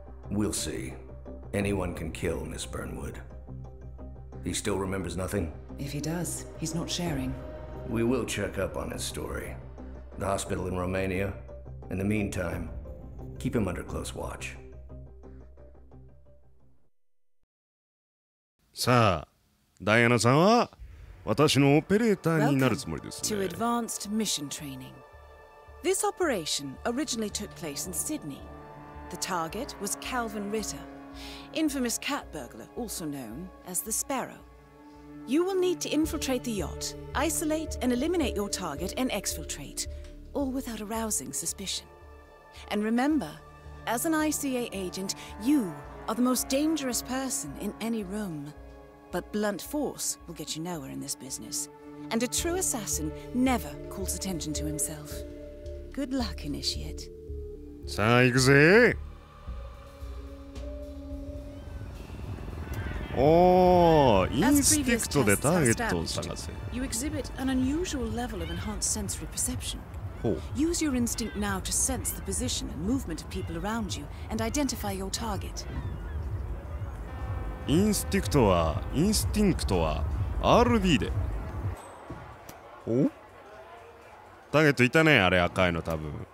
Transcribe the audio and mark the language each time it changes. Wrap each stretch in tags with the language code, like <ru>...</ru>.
<en>We'll see.Anyone can kill Miss Burnwood. He still remembers nothing? If he does, he's not sharing. We will check up on his story. The hospital in Romania. In the meantime, keep him under close watch.</en> <ja>さあ、ダイアナさんは私のオペレーターになるつもりですね。</ja> <en>Welcome to advanced mission training. This operation originally took place in Sydney. The target was Calvin Ritter, infamous cat burglar, also known as the Sparrow. You will need to infiltrate the yacht, isolate and eliminate your target and exfiltrate, all without arousing suspicion. And remember, as an ICA agent, you are the most dangerous person in any room. But blunt force will get you nowhere in this business. And a true assassin never calls attention to himself. Good luck, initiate.</en> <ja>さあ、行くぜ。おー、インスペクトでターゲットを探せ。</ja> <en>You exhibit an unusual level of enhanced sensory perception. Use your instinct now to sense the position and movement of people around you and identify your target.</en> <ja>インスティクトは、インスティンクトは、RB で。お？ターゲットいたね、あれ赤いの多分。</ja>